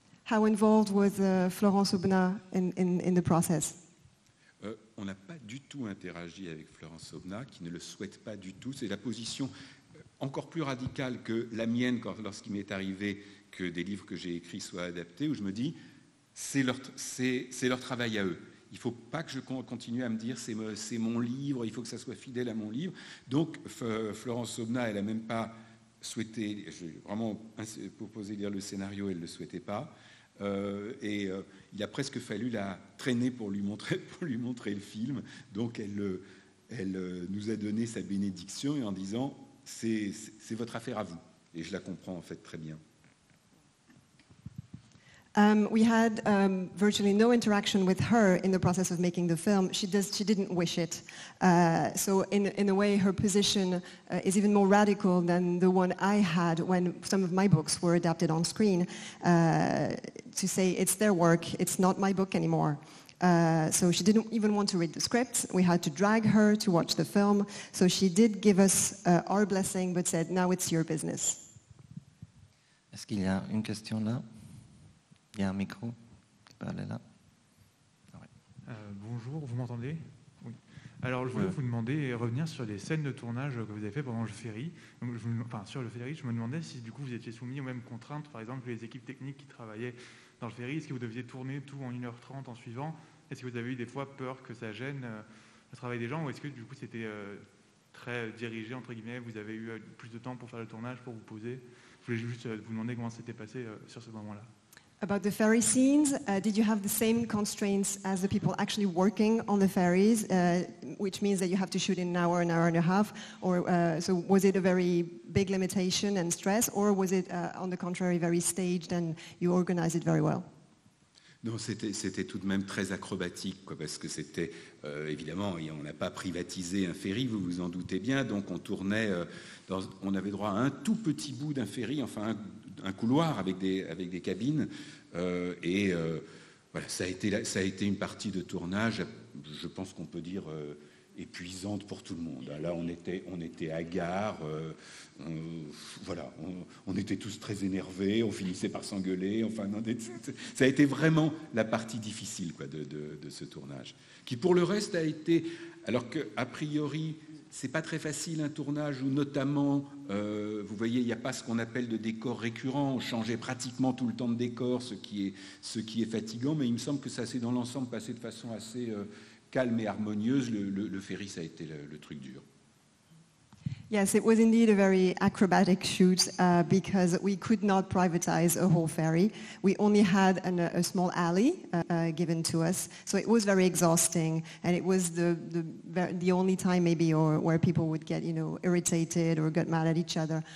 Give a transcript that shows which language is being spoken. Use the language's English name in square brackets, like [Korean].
[English] How involved was Florence Aubenas in the process? [French] On n'a pas du tout interagi avec Florence Aubenas, qui ne le souhaite pas du tout. C'est la position encore plus radicale que la mienne lorsqu'il m'est arrivé que des livres que j'ai écrits soient adaptés, où je me dis c'est leur travail à eux. Il ne faut pas que je continue à me dire c'est mon livre, il faut que ça soit fidèle à mon livre. Donc Florence Aubenas, elle n'a même pas souhaité, j'ai vraiment proposé de lire le scénario, elle ne le souhaitait pas. Il a presque fallu la traîner pour lui montrer le film. Donc elle nous a donné sa bénédiction et en disant c'est votre affaire à vous. Et je la comprends en fait très bien. [English] We had virtually no interaction with her in the process of making the film. She didn't wish it. So in a way, her position is even more radical than the one I had when some of my books were adapted on screen, to say it's their work, it's not my book anymore. So she didn't even want to read the script. We had to drag her to watch the film. So she did give us our blessing, but said, now it's your business. [French] Est-ce qu'il y a une question là? Il y a un micro, tu peux aller là. Ouais. Bonjour, vous m'entendez? Oui. Alors je voulais vous demander et revenir sur les scènes de tournage que vous avez fait pendant le ferry. Sur le ferry, je me demandais si du coup vous étiez soumis aux mêmes contraintes, par exemple les équipes techniques qui travaillaient dans le ferry, est-ce que vous deviez tourner tout en 1h30 en suivant? Est-ce que vous avez eu des fois peur que ça gêne le travail des gens ou est-ce que du coup c'était très dirigé entre guillemets, vous avez eu plus de temps pour faire le tournage, pour vous poser? Je voulais juste vous demander comment c'était passé sur ce moment-là. [English] About the ferry scenes, did you have the same constraints as the people actually working on the ferries, which means that you have to shoot in an hour and a half? So was it a very big limitation and stress, or was it, on the contrary, very staged and you organized it very well? [French] Non, c'était tout de même très acrobatique, quoi, parce que c'était, évidemment, on n'a pas privatisé un ferry, vous vous en doutez bien, donc on tournait, on avait droit à un tout petit bout d'un ferry, enfin un couloir avec des cabines ça a été une partie de tournage, je pense qu'on peut dire épuisante pour tout le monde. Là on était à gare, on était tous très énervés, on finissait par s'engueuler, enfin non, ça a été vraiment la partie difficile, quoi, de ce tournage, qui pour le reste a été, alors que a priori c'est pas très facile un tournage où notamment, vous voyez, il n'y a pas ce qu'on appelle de décor récurrent, on changeait pratiquement tout le temps de décor, ce qui est fatigant, mais il me semble que ça s'est dans l'ensemble passé de façon assez calme et harmonieuse. Le ferry, ça a été le truc dur. [English] Yes, it was indeed a very acrobatic shoot because we could not privatize a whole ferry. We only had a small alley given to us, so it was very exhausting, and it was the only time maybe or where people would get, you know, irritated or get mad at each other.